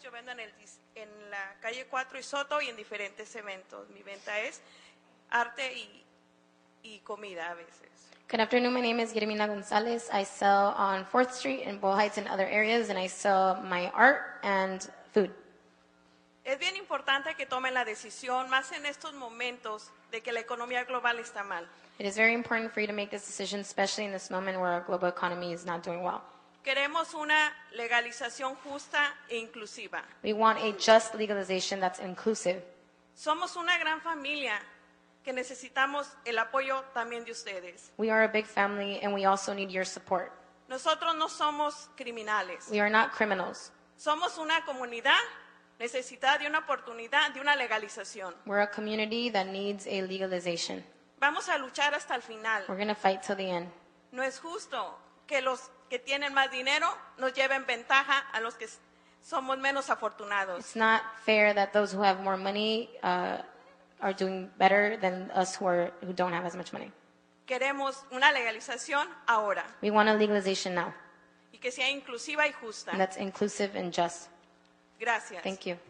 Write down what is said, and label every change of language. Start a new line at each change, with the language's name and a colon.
Spanish: Yo vendo en la calle 4 y Soto y en diferentes eventos. Mi venta es arte y y comida a veces.
English: Good afternoon. My name is Guillermina Gonzalez. I sell on 4th Street in Bull Heights and other areas, and I sell my art and food.
Spanish: Es bien importante que tomen la decisión, más en estos momentos, de que la economía global está mal.
English: It is very important for you to make this decision, especially in this moment where our global economy is not doing well.
Spanish: Queremos una legalización justa e inclusiva.
English: We want a just legalization that's inclusive.
Spanish: Somos una gran familia que necesitamos el apoyo también de ustedes.
English: We are a big family and we also need your support.
Spanish: Nosotros no somos criminales.
English: We are not criminals.
Spanish: Somos una comunidad necesitada de una oportunidad, de una legalización.
English: We're a community that needs a legalization.
Spanish: Vamos a luchar hasta el final.
English: We're going to fight till the end.
Spanish: No es justo que los que tienen más dinero nos lleven ventaja a los que somos menos afortunados.
English: It's not fair that those who have more money are doing better than us who don't have as much money.
Spanish: Queremos una legalización ahora.
English: We want a legalization now.
Spanish: Y que sea inclusiva y justa.
English: And that's inclusive and just.
Spanish: Gracias.
English: Thank you.